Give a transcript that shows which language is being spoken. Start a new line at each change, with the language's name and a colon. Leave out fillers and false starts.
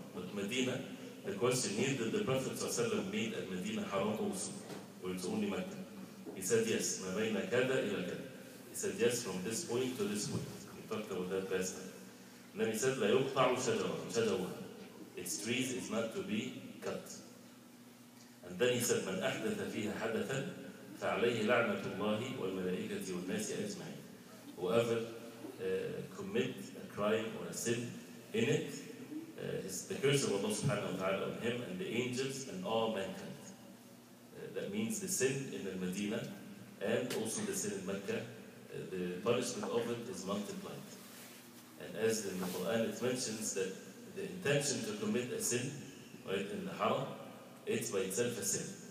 English: But Medina, the question here, did the Prophet ﷺ made at Medina haram also, or it's only Mecca? He said, yes.
Arabic: ما بين كذا إلى كذا.
English: He said, yes, from this point to this point. We talked about that last time. And then he said,
Arabic: لا يقطع شجرها.
English: Its trees is not to be cut. And then he said,
Arabic: من أحدث فيها حدثا فعليه لعنة الله والملائكة والناس أجمعين.
English: Whoever commit a crime or a sin in it, is the curse of Allah subhanahu wa ta'ala on him and the angels and all mankind. That means the sin in Al-Madina and also the sin in Mecca. The punishment of it is multiplied. And as in the Quran it mentions that the intention to commit a sin, right, in the haram, it's by itself a sin.